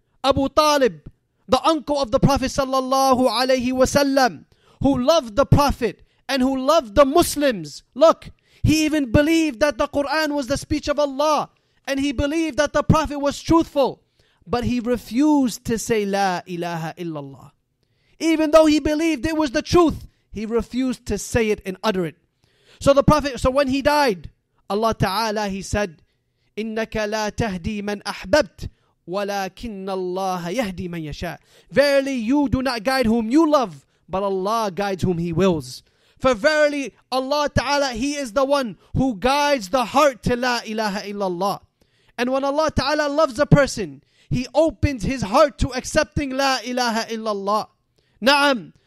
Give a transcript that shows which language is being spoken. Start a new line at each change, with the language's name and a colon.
English: Abu Talib, the uncle of the Prophet sallallahu alayhi wa sallam, who loved the Prophet and who loved the Muslims. Look, he even believed that the Quran was the speech of Allah. And he believed that the Prophet was truthful. But he refused to say La ilaha illallah. Even though he believed it was the truth, he refused to say it and utter it. So when he died, Allah Ta'ala, he said,
Arabic: إِنَّكَ لَا تَهْدِي مَنْ أَحْبَبْتِ وَلَكِنَّ اللَّهَ يَهْدِي مَنْ يَشَاءُ.
English: Verily you do not guide whom you love, but Allah guides whom He wills. For verily Allah Ta'ala, He is the one who guides the heart to La ilaha illallah. And when Allah Ta'ala loves a person, He opens his heart to accepting La ilaha illallah. Na'am.